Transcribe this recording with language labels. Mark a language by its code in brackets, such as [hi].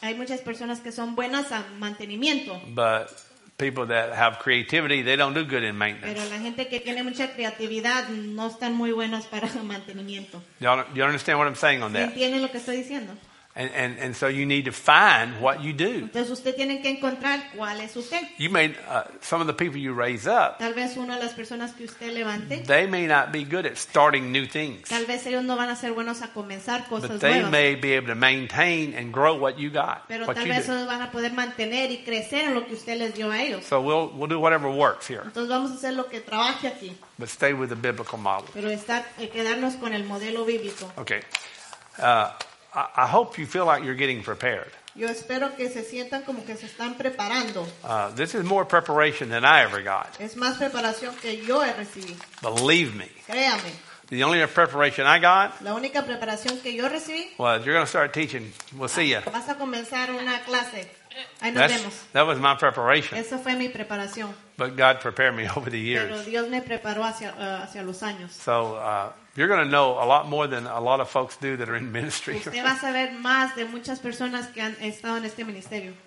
[es] Hay muchas personas que son buenas a mantenimiento. [en] But people that have creativity, they don't do good in maintenance. [es] Pero la gente que tiene mucha creatividad no están muy buenos para mantenimiento. [en] You understand what I'm saying on that? [es] ¿Entienden lo que estoy diciendo? [en] And so you need to find what you do. [es] Entonces usted tiene que encontrar cuál es usted. [en] You may some of the people you raise up. [es] Tal vez una de las personas que usted levante. [en] They may not be good at starting new things. [es] Tal vez ellos no van a ser buenos a comenzar cosas nuevas. [en] But they may be able to maintain and grow what you got. [es] Pero tal vez ellos van a poder mantener y crecer lo que usted les dio a ellos. [en] So we'll do whatever works here. [es] Entonces vamos a hacer lo que trabaje aquí. [en] But stay with the biblical model. [es] Pero quedarnos con el modelo bíblico. [en] Okay. I hope you feel like you're getting prepared. [es] Yo espero que se sientan como que se están preparando. [en] This is more preparation than I ever got. [es] Es más preparación que yo he recibido. [en] Believe me. [es] Créame. [en] The only preparation I got. [es] La única preparación que yo recibí. [en] Well, you're going to start teaching. We'll see you. [es] Vas a comenzar una clase. Ahí nos vemos. [en] That was my preparation. [es] Eso fue mi preparación. [en] But God prepared me over the years. [es] Pero Dios me preparó hacia los años. [en] So. You're going to know a lot more than a lot of folks do that are in ministry. [es] Usted va a saber más de muchas personas que han estado en este ministerio.